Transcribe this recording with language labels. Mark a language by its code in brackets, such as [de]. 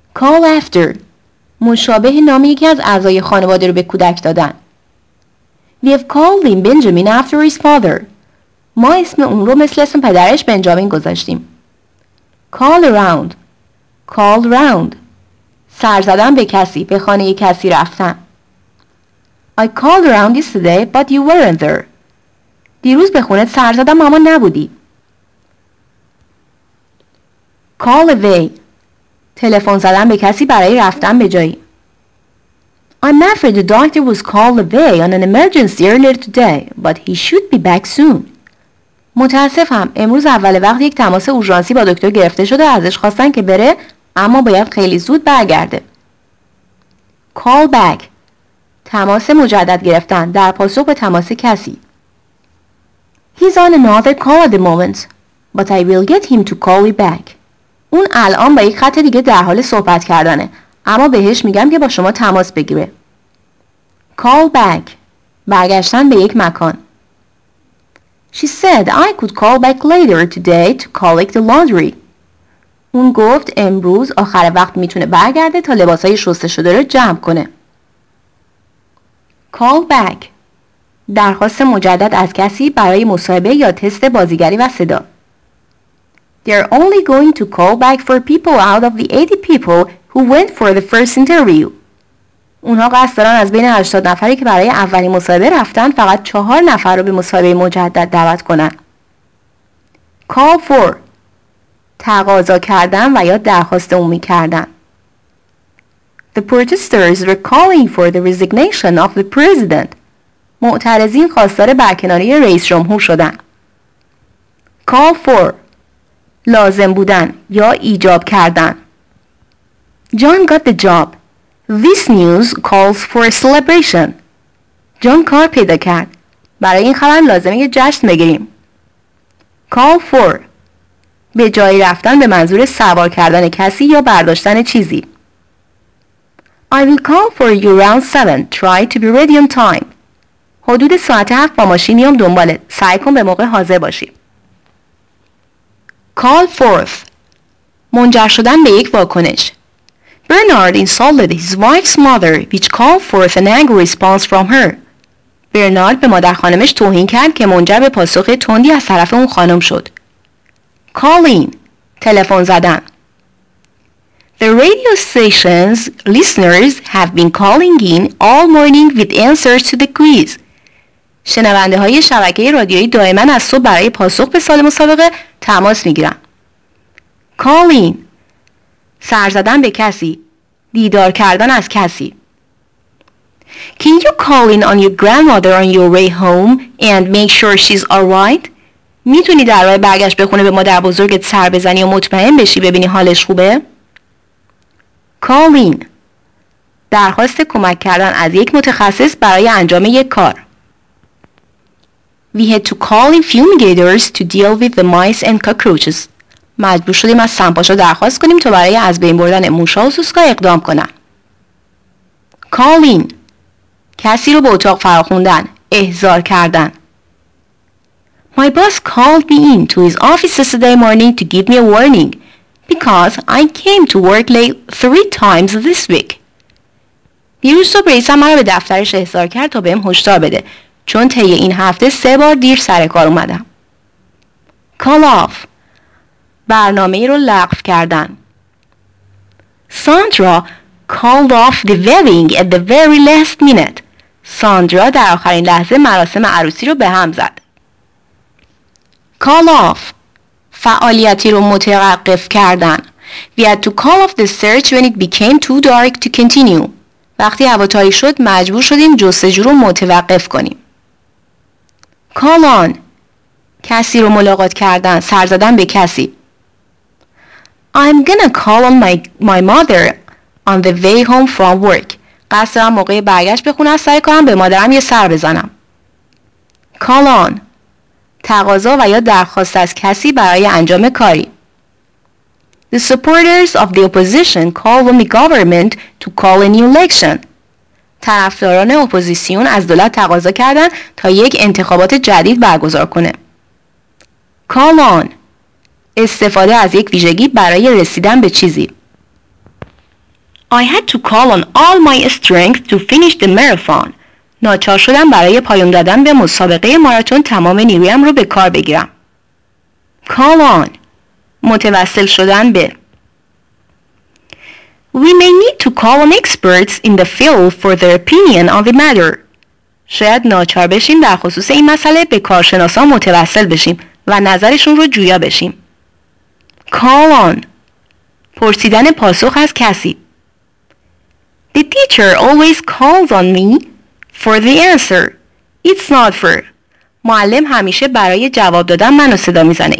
[fa] Call after، مشابه نام یکی از اعضای خانواده رو به کودک دادن. [en] We have called him Benjamin after his father. [fa] ما اسم اون رو مثل اسم پدرش بنجامین گذاشتیم. Call around، call round، سر زدن به کسی، به خانه کسی رفتن. [en] I called around yesterday, but you weren't there. [fa] دیروز به خونه سر زدم، اما نبودی. [en] Call away. [fa] تلفن زدم به کسی برای رفتن به جایی. [en] I'm afraid the doctor was called away on an emergency earlier today, but he should be back soon. [fa] متاسفم، امروز اول وقت یک تماس اورژانسی با دکتر گرفته شده، ازش خواستن که بره، اما باید خیلی زود برگرده. [en] Call back. [fa] تماس مجدد گرفتن، در پاسخ به تماس کسی. [en] He's on another call at the moment, but I will get him to call you back. [fa] اون الان با یک خط دیگه در حال صحبت کردنه، اما بهش میگم که با شما تماس بگیره. Call back، برگشتن به یک مکان. [en] She said I could call back later today to collect the laundry. [fa] اون گفت امروز آخر وقت میتونه برگرده تا لباسای شسته شده رو جمع کنه. Call back، درخواست مجدد از کسی برای مصاحبه یا تست بازیگری و صدا. [en] They're only going to call back for people out of the 80 people who went for the first interview. [fa] اونها قصد دارن از بین 80 نفری که برای اولین مصاحبه رفتن، فقط 4 نفر رو به مصاحبه مجدد دعوت کنن. Call for، تقاضا کردن و یا درخواست عمومی کردن. [en] The protesters were calling for the resignation of the president. [fa] معترضین خواستار برکناری رئیس جمهور شدن. Call for، لازم بودن یا ایجاب کردن. [en] John got the job. This news calls for a celebration. [fa] John کار پیدا کرد. برای این خبر لازمه یه جشن بگیریم. Call for، به جای رفتن به منظور سوار کردن کسی یا برداشتن چیزی. [en] I will call for you around 7. Try to be ready on time. [fa] حدود ساعت 7 با ماشین میام دنبالت. سعی کن به موقع حاضر باشی. Call forth، منجر شدن به یک واکنش. [en] Bernard insulted his wife's mother, which called forth an angry response from her. [fa] برنارد به مادر خانمش توهین کرد که منجر به پاسخ تندی از طرف اون خانم شد. Call in، تلفن زدن. [en] The radio station's listeners have been calling in all morning with answers to the quiz. [fa] شنونده های شبکه رادیویی دائما از صبح برای پاسخ به سوال مسابقه تماس میگیرن. Call in، سر زدن به کسی، دیدار کردن از کسی. [en] Can you call in on your grandmother on your way home and make sure she's alright? [fa] میتونی در راه برگشت به خونه به مادر بزرگت سر بزنی و مطمئن بشی ببینی حالش خوبه؟ Call in، درخواست کمک کردن از یک متخصص برای انجام یک کار. [en] We had to call in fumigators to deal with the mice and cockroaches. [fa] مجبور شدیم از سمپاشا درخواست کنیم تا برای از بین بردن موشا و سوسکا اقدام کنن. Call in، کسی رو به اتاق فراخوندن، احضار کردن. [en] My boss called me in to his office yesterday morning to give me a warning. Because I came to work late 3 times this week. [fa] دیروز صبح رئیسم مرا به دفترش احضار کرد تا بهم هشدار بده، چون طی این هفته 3 بار دیر سر کار اومدم. Call off، برنامه رو لغو کردن. [en] Sandra called off the wedding at the very last minute. [fa] ساندرا در آخرین لحظه مراسم عروسی رو به هم زد. Call off، فعالیتی رو متوقف کردن. [en] We had to call off the search when it became too dark to continue. [fa] وقتی هوا تاریک شد مجبور شدیم جستجو رو متوقف کنیم. Call on، کسی رو ملاقات کردن، سر زدن به کسی. [en] I'm gonna call on my mother on the way home from work. [fa] قصد دارم موقع برگشت به خونه از سر کارم به مادرم یه سر بزنم. [en] Call on [fa] تقاضا و یا درخواست از کسی برای انجام کاری. [en] The supporters of the opposition call on the government to call a new election. [fa] طرفداران اپوزیسیون از دولت تقاضا کردن تا یک انتخابات جدید برگزار کنه. [en] Call on [fa] استفاده از یک ویژگی برای رسیدن به چیزی. [en] I had to call on all my strength to finish the marathon. [fa] ناچار شدم برای پایان دادن به مسابقه ماراتون تمام نیرویم رو به کار بگیرم. [en] Call on [fa] متوسل شدن به. [en] We may need to call on experts in the field for their opinion on the matter. [fa] شاید ناچار بشیم در خصوص این مسئله به کارشناسان متوسل بشیم و نظرشون رو جویا بشیم. [en] Call on [fa] پرسیدن پاسخ از کسی. [en] The teacher always calls on me for the answer. It's not fair. [fa] معلم همیشه برای جواب دادن منو صدا میزنه.